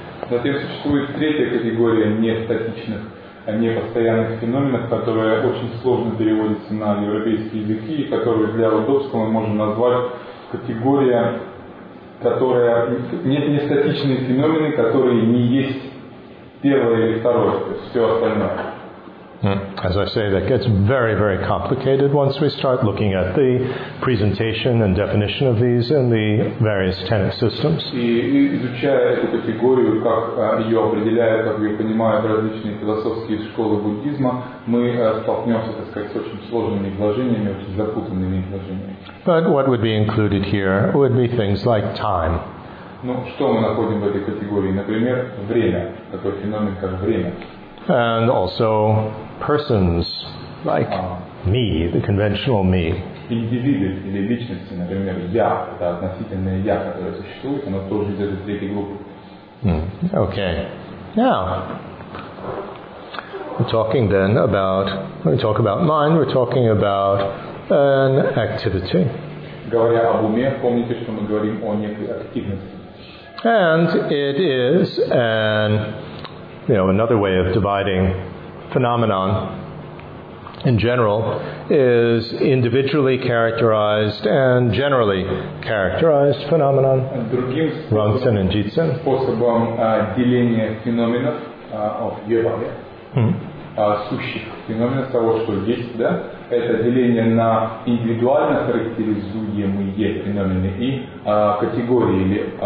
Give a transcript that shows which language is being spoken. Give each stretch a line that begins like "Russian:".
Russian: Затем существует третья категория нестатичных, непостоянных феноменов, которая очень сложно переводится на европейские языки, и которую для удобства мы можем назвать категория, которая нестатичные феномены, которые не есть первое или второе, то есть все остальное.
English: As I say, that gets very, very complicated once we start looking at the presentation and definition of these in the various tenet systems.
Russian: И изучая эту категорию, как ее определяют, как ее понимают различные философские школы буддизма, мы столкнемся, так сказать, с очень сложными изложениями, очень запутанными изложениями.
English: But what would be included here would be things like time.
Russian: Ну, что мы находим в этой категории? Например, время, такой феномен, как время.
English: And also persons like me, the conventional me.
Russian: Индивиды или личности, например, я, это относительное я, которое существует, оно тоже из этой третьей группы.
English: Okay. Now, we're talking then about, when we talk about mind, we're talking about an activity.
Russian: Говоря об уме, помните, что мы говорим о некой активности.
English: And it is an... You know, another way of dividing phenomenon in general is individually characterized and generally characterized phenomenon.
Russian: Другим Ронсен и Джитсен. Способом деления феноменов of Йобаве, сущих феноменов того, что есть, да, это деление на индивидуально характеризуемые феномены и категории или